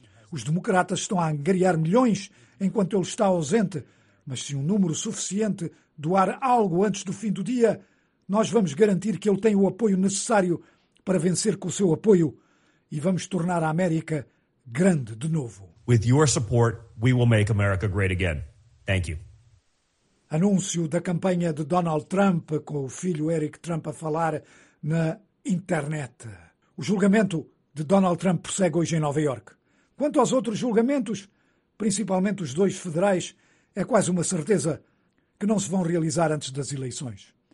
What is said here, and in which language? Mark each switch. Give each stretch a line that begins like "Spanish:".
Portuguese: Os democratas estão a angariar milhões enquanto ele está ausente, mas se um número suficiente doar algo antes do fim do dia, nós vamos garantir que ele tem o apoio necessário para vencer com o seu apoio e vamos tornar a América grande de novo.
English: With your support, we will make America great again. Thank you.
Portuguese: Anúncio da campanha de Donald Trump com o filho Eric Trump a falar na internet. O julgamento de Donald Trump prossegue hoje em Nova York. Quanto aos outros julgamentos, principalmente os dois federais, é quase uma certeza que não se vão realizar antes das eleições.